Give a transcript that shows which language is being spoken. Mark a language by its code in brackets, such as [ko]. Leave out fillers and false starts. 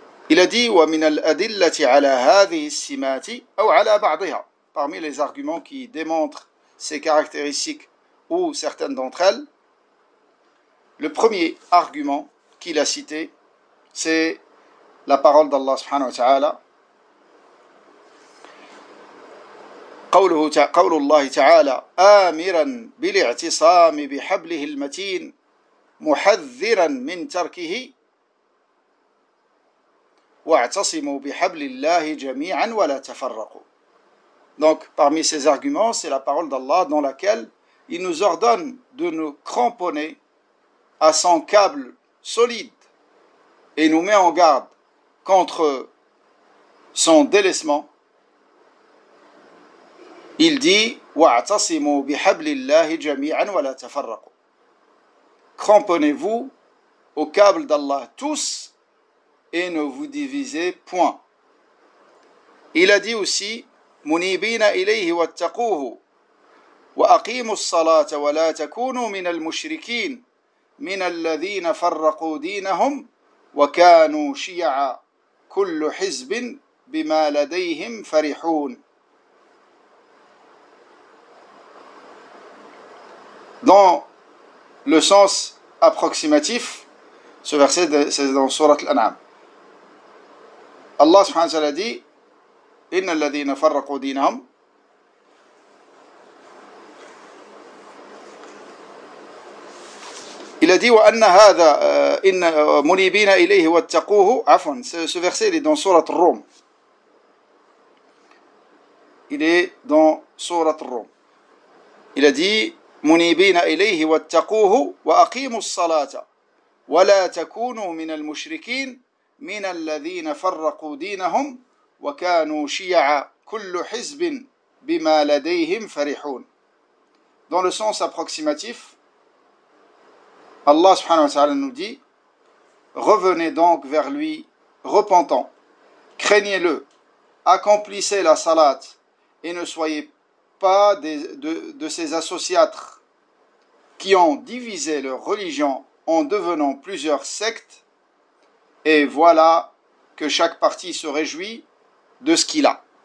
[fr] Il a dit « [ar] ومن الأدلة على هذه السمات أو على بعضها [fr] » Parmi les arguments qui démontrent ces caractéristiques ou certaines d'entre elles, le premier argument qu'il a cité, c'est la parole d'Allah subhanahu wa ta'ala. [ar] قول الله تعالى آمرا بالاعتصام بحبله المتين محذرا من تركه واعتصموا بحبل الله جميعا ولا تفرقوا. [fr] Donc parmi ces arguments, c'est la parole d'Allah dans laquelle il nous ordonne de nous cramponner à son câble solide et nous met en garde contre son délaissement. Il dit « [ar] وَاعْتَصِمُوا بِحَبْلِ اللَّهِ جَمِيعًا وَلَا تَفَرَّقُوا [fr] » Cramponnez-vous au câble d'Allah tous et ne vous divisez point. Il a dit aussi [ar] « مُنِيبِينَ إِلَيْهِ وَاتَّقُوهُ وَأَقِيمُوا الصَّلَاةَ وَلَا تَكُونُوا مِنَ الْمُشْرِكِينَ مِنَ الَّذِينَ فَرَّقُوا دِينَهُمْ وَكَانُوا شِيَعًا كُلُّ حِزْبٍ بِمَا لَدَيْهِمْ فَرِحُونَ » [fr] Dans le sens approximatif, ce verset, c'est dans Sourate Al-An'am. Allah subhanahu wa ta'ala dit « [ar] Inna alladhina farraqu dinahum [fr] » Il a dit « [ar] Wa anna hadha inna munibina ilayhi wa attaquuhu [fr] » Afwan, ce verset, il est dans Sourate Al-Rum. Il est dans Sourate Al-Rum. Il a dit [ar] « منيبين إليه واتقوه وأقيموا الصلاة ولا تكونوا من المشركين من الذين فرقوا دينهم وكانوا شيعا كل حزب بما لديهم فرحون. [fr] Dans le sens approximatif, Allah subhanahu wa ta'ala nous dit: revenez donc vers lui repentant, craignez-le, accomplissez la salat et ne soyez pas de ses associatres qui ont divisé leur religion en devenant plusieurs sectes, et voilà que chaque partie se réjouit de ce qu'il a.